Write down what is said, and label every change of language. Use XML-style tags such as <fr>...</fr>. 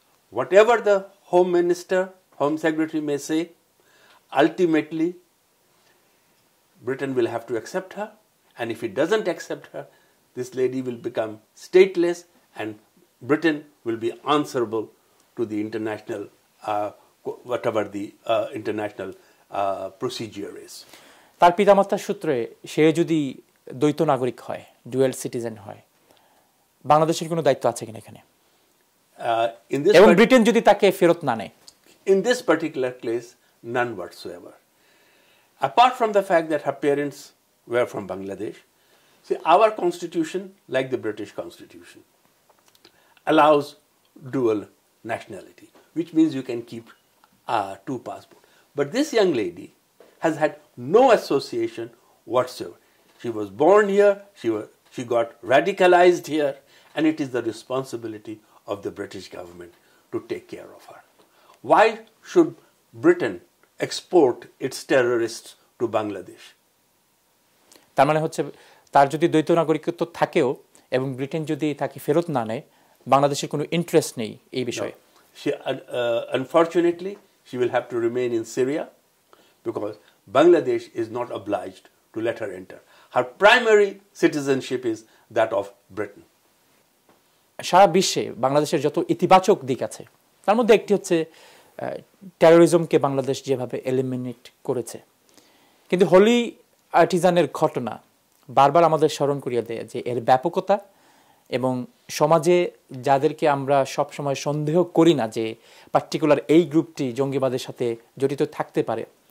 <en>Whatever the Home Minister, Home Secretary may say, ultimately Britain will have to accept her, and if it doesn't accept her, this lady will become stateless and Britain will be answerable to the international whatever the international procedure is.</en> <bn>তার পিতামাতার সূত্রে সে যদি দ্বৈত নাগরিক হয়, dual citizen হয়, বাংলাদেশের কোনো দায়িত্ব আছে কিনা এখানে?</bn> <en>In this</en> <bn>এবং ব্রিটেন যদি তাকে ফেরত না নেয়?</bn> <en>In this particular case, none whatsoever. Apart from the fact that her parents were from Bangladesh, see, our constitution, like the British constitution, allows dual nationality, which means you can keep two passports. But this young lady has had no association whatsoever. She was born here, she got radicalized here, and it is the responsibility of the British government to take care of her. Why should Britain export its terrorists to Bangladesh?</en> <bn>তার মানে হচ্ছে তার যদি দ্বৈত নাগরিকত্ব থাকেও এবং Britain যদি তাকে ফেরত না নেয়, বাংলাদেশের কোনো ইন্টারেস্ট নেই এই বিষয়ে।</bn> <en>She unfortunately she will have to remain in Syria because Bangladesh is not obliged to let her enter. Her primary citizenship is that of Britain.</en> <bn>সারা বিশ্বে বাংলাদেশের যত ইতিবাচক দিক আছে তার মধ্যে একটি হচ্ছে টেরোরিজমকে বাংলাদেশ যেভাবে এলিমিনেট করেছে, কিন্তু হোলি আর্টিজানের ঘটনা বারবার আমাদের স্মরণ করিয়ে দেয় যে এর ব্যাপকতা এবং সমাজে যাদেরকে আমরা সবসময় সন্দেহ করি না যে পার্টিকুলার এই গ্রুপটি জঙ্গিবাদের সাথে জড়িত থাকতে পারে,</bn>